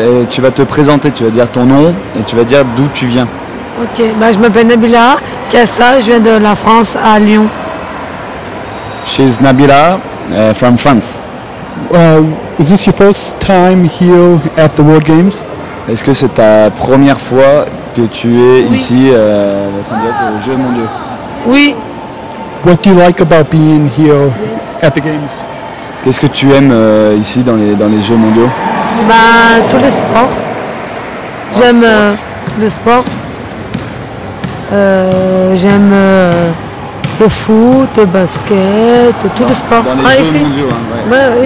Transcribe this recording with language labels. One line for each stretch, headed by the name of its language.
French: Tu vas te présenter, tu vas dire ton nom et tu vas dire d'où tu viens. Ok, bah, je m'appelle Nabila Kassa, je viens de la France à Lyon.
English: She's Nabila from France. Is this your first time here at the World Games?
French: Est-ce que c'est ta première fois que tu es ici à Los Angeles aux Jeux Mondiaux? Oui.
English: What do you like about being here at the Games?
French: Qu'est-ce que tu aimes ici dans les Jeux Mondiaux? Bah, tous les sports. J'aime tous les sports. J'aime le foot, le basket, tous les sports. Dans les Jeux ici. Mondiaux, hein, ouais.